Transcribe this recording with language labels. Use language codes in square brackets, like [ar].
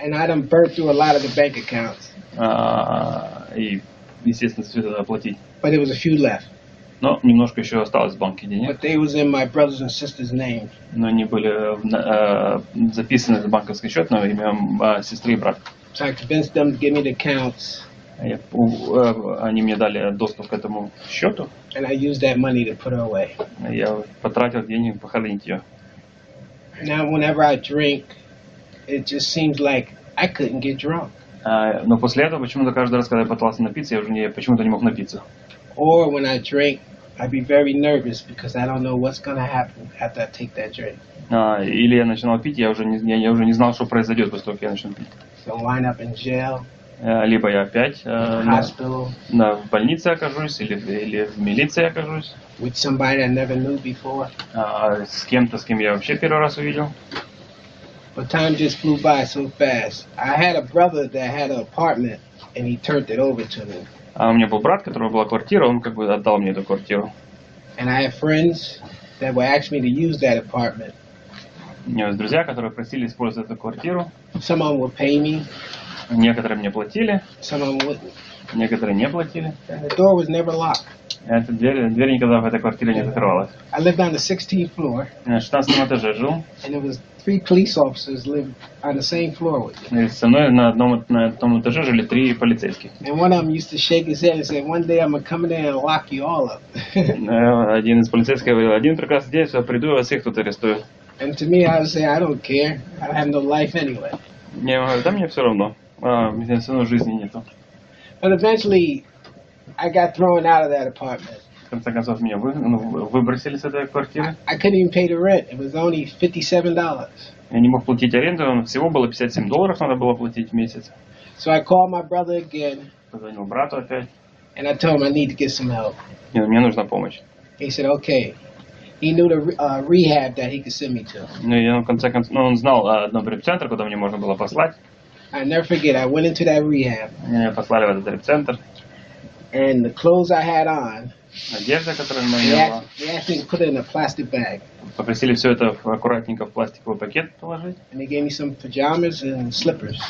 [en] And I done burned through a lot of the bank accounts. [ru] И, естественно, все это оплатить. [en] But there was a few left. [ru] Но немножко еще осталось в банке денег. [en] But they was in my brothers and sisters' name. [ru] Но они были записаны на банковский счет на имя сестры и брата. [en] So I convinced them to give me the accounts. [ru] Они мне дали доступ к этому счету. [en] And I used that money to put her away. [ru] Я потратил деньги похоронить ее. [en] Now whenever I drink, it just seems like I couldn't get drunk. [ru] Но после этого почему-то каждый раз, когда я пытался напиться, я почему-то не мог напиться. [en] Or when I drink, I'd be very nervous because I don't know what's gonna happen after I take that drink. [ru] Или я начинал пить, я уже не знал, что произойдет после того, как я начну пить. [en] So wind up in jail. [ru] Либо я опять [en] in hospital. [ru] В больнице окажусь или в милиции окажусь. [en] With somebody I never knew before. [ru] С кем-то, с кем я вообще первый раз увидел. [en] But time just flew by so fast. I had a brother that had an apartment, and he turned it over to me. [ru] А у меня был брат, у которого была квартира, он как бы отдал мне эту квартиру. [en] And I have friends that would ask me to use that apartment. [ru] У меня есть друзья, которые просили использовать эту квартиру. [en] Some of them would pay me. [ru] Некоторые мне платили. Некоторые не платили. [en] The door was never locked. [ru] Эта дверь никогда в этой квартире не закрывалась. [en] I lived on the 16th floor. [ru] На 16 этаже жил. [en] And it was three police officers lived on the same floor with me. [ru] И со мной на одном этаже жили три полицейских. [en] And one of them used to shake his head and say, "One day I'm gonna come in there and lock you all up." [ru] Один из полицейских говорил: "Один прекрасный день, я приду и вас всех тут арестую." [en] And to me, I would say, "I don't care. I have no life anyway." [ru] Не, да мне все равно. Мне все равно жизни нету. [en] But eventually, I got thrown out of that apartment. [ru] В конце концов, меня выбросили с этой квартиры. [en] I couldn't even pay the rent. It was only $57. [ru] Я не мог платить аренду. Всего было $57 надо было платить в месяц. [en] So I called my brother again. [ru] Позвонил брату опять. [en] And I told him I need to get some help. [ru] Не, мне нужна помощь. [en] He said, "Okay." He knew the rehab that he could send me to. [ru] Ну, я в конце концов, он знал одно реабилитационное, куда мне можно было послать. [en] I never forget. I went into that rehab. [ru] Меня послали в этот реабилитационный центр. [en] And the clothes I had on. [ru] Одежда, которую я надел. [en] They asked me to put it in a plastic bag. [ru] Попросили все это аккуратненько в пластиковый пакет положить. [en] And they gave me some pajamas and slippers.